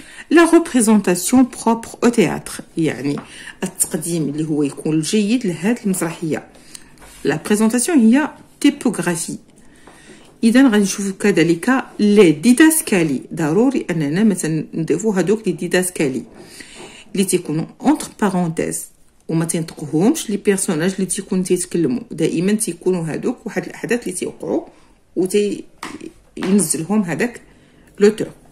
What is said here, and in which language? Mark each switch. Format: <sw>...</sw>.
<fr>La représentation propre au théâtre,</fr> <ar>يعني التقديم اللي هو يكون الجيد لهذه المسرحيه.</ar> <fr>La présentation هي typographie.</fr> <ar>اذا غادي نشوف كذلك لي ديداسكالي ضروري اننا مثلا نضيفو هذوك لي ديداسكالي اللي تيكونوا</ar> <fr>entre parenthèses</fr> <ar>وما تنطقوهمش لي بيرسوناج اللي تيكون تيتكلموا دائما تيكونوا هذوك واحد الاحداث اللي تيوقعوا وتينزلهم هذاك لوتور</ar>